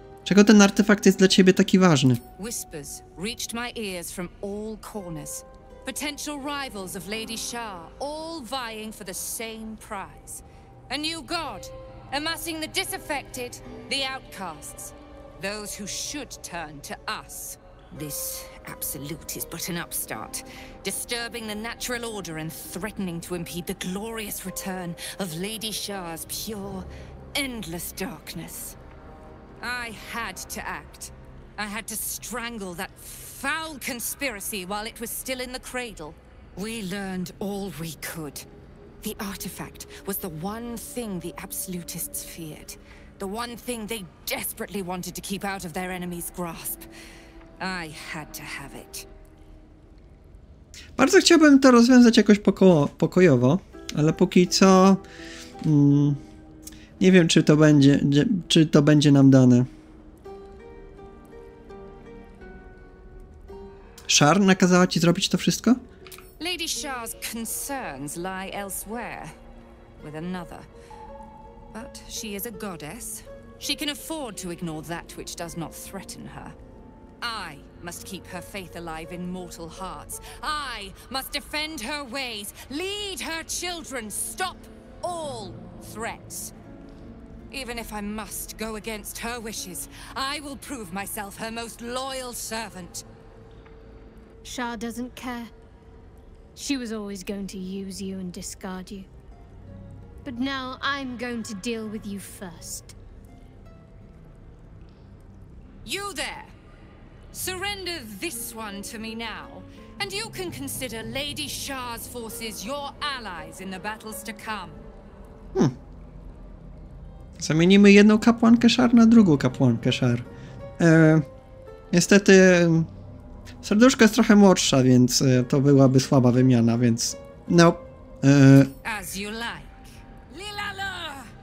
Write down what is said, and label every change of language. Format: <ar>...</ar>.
<pl>Czego ten artefakt jest dla ciebie taki ważny?</pl> <en>Whispers reached my ears from all corners. Potential rivals of Lady Shar, all vying for the same prize. A new god, amassing the disaffected, the outcasts, those who should turn to us. This absolute is but an upstart, disturbing the natural order and threatening to impede the glorious return of Lady Shar's pure, endless darkness. I had to act. I had to strangle that foul conspiracy while it was still in the cradle. We learned all we could. The artifact was the one thing the absolutists feared. The one thing they desperately wanted to keep out of their enemies' grasp. I had to have it.</en> <pl>Bardzo chciałbym to rozwiązać jakoś pokojowo, ale póki co... Nie wiem, czy to będzie nam dane. Shar nakazała ci zrobić to wszystko?</pl> <en>Lady Shar's concerns lie elsewhere, with another. But she is a goddess. She can afford to ignore that which does not threaten her. I must keep her faith alive in mortal hearts. I must defend her ways, lead her children, stop all threats. Even if I must go against her wishes, I will prove myself her most loyal servant. Shar doesn't care. She was always going to use you and discard you. But now I'm going to deal with you first. You there! Surrender this one to me now, and you can consider Lady Shar's forces your allies in the battles to come.</en> <pl>Zamienimy jedną kapłankę Shar na drugą kapłankę Shar. Niestety serduszko jest trochę młodsza, więc to byłaby słaba wymiana, więc no.</pl> <en>As you like.</en> <pl>Lilala!</pl>